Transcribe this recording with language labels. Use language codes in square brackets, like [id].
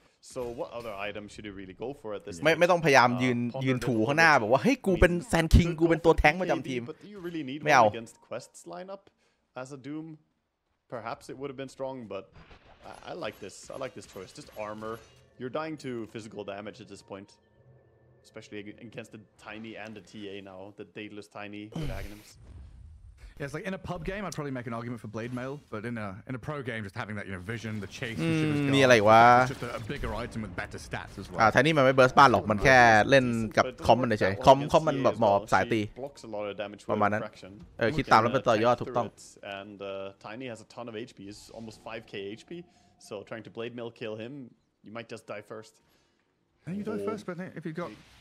[en] So what other item should he really go for at this? [th] ไม่ต้องพยายามยืนถูข้างหน้าแบบว่าเฮ้ยกูเป็นแซนคิงกูเป็นตัวแทงค์ประจำทีมไม่เอา [en] against quests lineup as a doom perhaps it would have been strong but I like this choice just armor you're dying to physical damage at this point especially against the tiny and the TA now the Daedalus tiny with Aghanims yeah it's like in a pub game I'd probably make an argument for blade mail but in a pro game just having that you know vision the chase the shivers [th] มีอะไรวะ [en] just a bigger item with better stats as well [th] อ่าแทนี่มันไม่เบิร์สบ้านหรอกมันแค่เล่นกับคอมมันเฉยคอมมันแบบหมอบสายตีประมาณนั้นเออคิดตามแล้วเป็นต่อยอดถูกต้อง [en] and tiny has a ton of hp is almost 5k hp so trying to blade mail kill him you might just die first then you die first but if you got